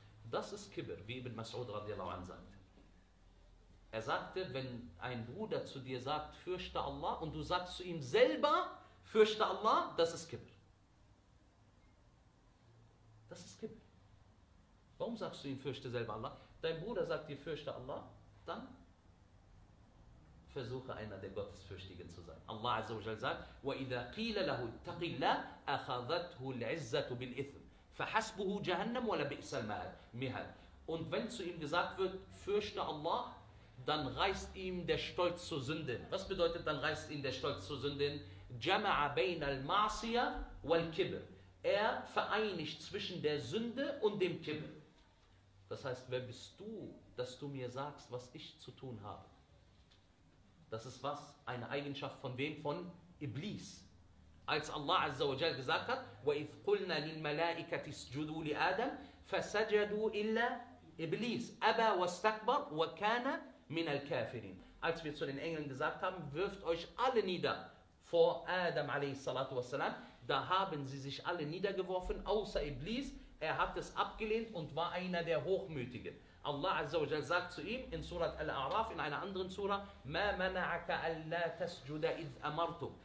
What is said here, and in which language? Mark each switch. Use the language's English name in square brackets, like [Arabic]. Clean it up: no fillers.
[German] Das ist Kibr, wie Ibn Mas'ud radiallahu anhu sagte. Er sagte, wenn ein Bruder zu dir sagt, fürchte Allah, und du sagst zu ihm selber, fürchte Allah, das ist Kibr. Das ist Kibr. Warum sagst du ihm, fürchte selber Allah? Dein Bruder sagt dir, fürchte Allah, dann versuche einer der Gottesfürchtigen zu sein. Allah Azza wa Jalla sagt: [Arabic] وَإِذَا قِيلَ لَهُ اتَّقِ اللَّهِ أَخَذَتْهُ الْعِزَّةُ بِالْإِثْمِ فَحَسْبُهُ جَهَنَّمُ وَلَا بِئْسَ الْمِهَادُ. [German] Und wenn zu ihm gesagt wird, fürchte Allah, dann reißt ihm der Stolz zur Sünde. Was bedeutet, dann reißt ihm der Stolz zur Sünde? [Arabic] جَمَعَ بَيْنَ الْمَعْصِيَ وَالْكِبْرِ. [German] Er vereinigt zwischen der Sünde und dem Kibr. Das heißt, wer bist du, dass du mir sagst, was ich zu tun habe? Das ist was? Eine Eigenschaft von wem? Von Iblis. Als Allah Azza wa Jal gesagt hat, [Arabic] وَإِذْ قُلْنَا لِلْمَلَائِكَةِ اسْجُدُوا لِآدَمْ فَسَجَدُوا إِلَّا إِبْلِيسِ أَبَى وَاسْتَكْبَرْ وَكَانَ مِنَ الْكَافِرِينَ. [German] Als wir zu den Engeln gesagt haben, wirft euch alle nieder vor Adam alayhi salatu wassalam, da haben sie sich alle niedergeworfen, außer Iblis. Er hat es abgelehnt und war einer der Hochmütigen. Allah Azza wa Jalla sagt zu ihm in Surat Al-A'raf, in einer anderen Sura: [Arabic] Ma mana'aka alla tasjuda idh amartuk.